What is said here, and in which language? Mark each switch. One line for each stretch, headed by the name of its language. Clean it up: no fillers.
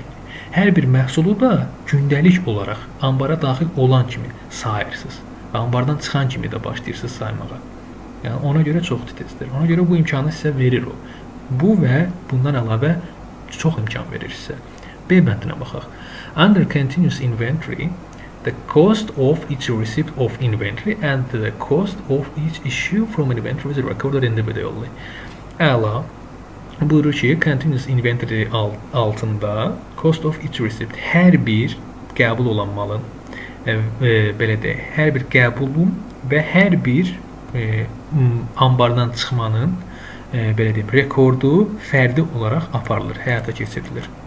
Azerbaijani: Yəni, hər bir məhsulu da gündəlik olaraq ambara daxil olan kimi sayırsınız. Və ambardan çıxan kimi də başlayırsınız saymağa. Yəni, ona görə çox titizdir. Ona görə bu imkanı sizə verir o. Bu və bundan əlavə çox imkan verir sizə. B bəndinə baxaq.
English: Under continuous inventory, the cost of each receipt of inventory and the cost of each issue from inventory is recorded individually.
Azerbaijani: Əla buyurur ki, continuous inventory altında
English: cost of each receipt
Azerbaijani: hər bir qəbul olan malın belə deyək, hər bir qəbulun və hər bir ambardan çıxmanın belə deyim, rekordu fərdi olaraq aparılır, həyata keçirilir.